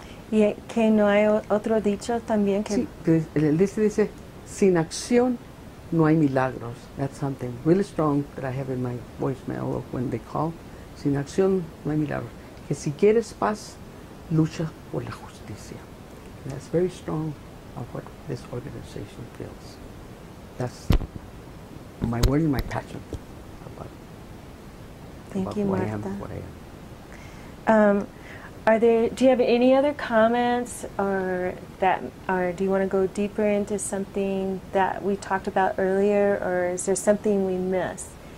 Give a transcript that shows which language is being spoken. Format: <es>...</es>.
<es>Y que no hay otro dicho también que... Sí, el dice, dice, sin acción no hay milagros.</es> <en>That's something really strong that I have in my voicemail when they call.</en> <es>Sin acción no hay milagros. Que si quieres paz, lucha por la justicia.</es> <en>That's very strong of what this organization feels. That's my word and my passion about what I am. Are there, do you have any other comments or that, or do you want to go deeper into something that we talked about earlier, or is there something we missed?</en>